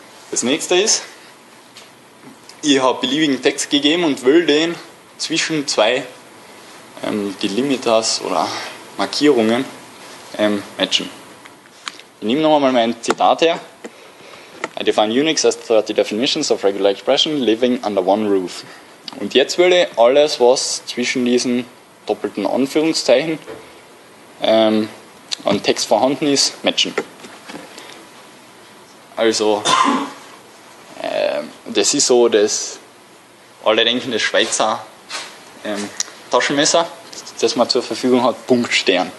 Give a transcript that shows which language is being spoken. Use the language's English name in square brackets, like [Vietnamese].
[German] Das nächste ist, ich habe beliebigen Text gegeben und will den zwischen zwei Delimiters oder Markierungen matchen. nehme nochmal mein Zitat her. [English] I define Unix as 30 definitions of regular expression living under one roof. [German] Und jetzt würde alles, was zwischen diesen doppelten Anführungszeichen an Text vorhanden ist, matchen. Also, das ist so, dass alle denken, das Schweizer Taschenmesser, das man zur Verfügung hat, Punkt, Stern.